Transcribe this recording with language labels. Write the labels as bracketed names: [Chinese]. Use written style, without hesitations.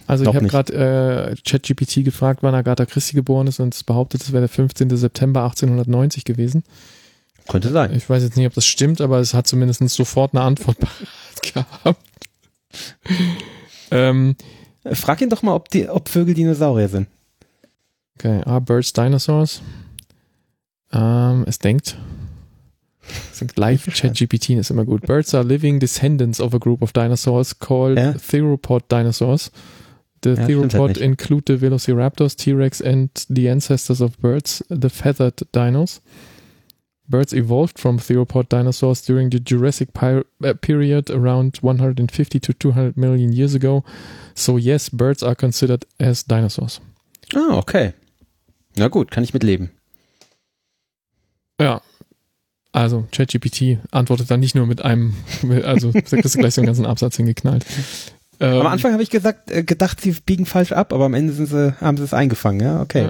[German] Also ich habe gerade ChatGPT gefragt, wann Agatha Christie geboren ist und es behauptet, es wäre der 15. September 1890 gewesen. Könnte sein. Ich weiß jetzt nicht, ob das stimmt, aber es hat zumindest sofort eine Antwort gehabt. Frag ihn doch mal, ob Vögel Dinosaurier sind. [English] Okay, are birds dinosaurs? [German] Es denkt. Live ChatGPT ist immer gut. [English] Birds are living descendants of a group of dinosaurs called theropod dinosaurs. The theropod include the velociraptors, T-Rex and the ancestors of birds, the feathered dinos. Birds evolved from theropod dinosaurs during the Jurassic period around 150 to 200 million years ago. So yes, birds are considered as dinosaurs. Ah, oh, okay. [German] Na gut, kann ich mitleben. Ja. Also ChatGPT antwortet dann nicht nur mit einem, also da kriegst du gleich so einen ganzen Absatz hingeknallt. Am Anfang habe ich gedacht, sie biegen falsch ab, aber am Ende haben sie es eingefangen, ja, okay, ja.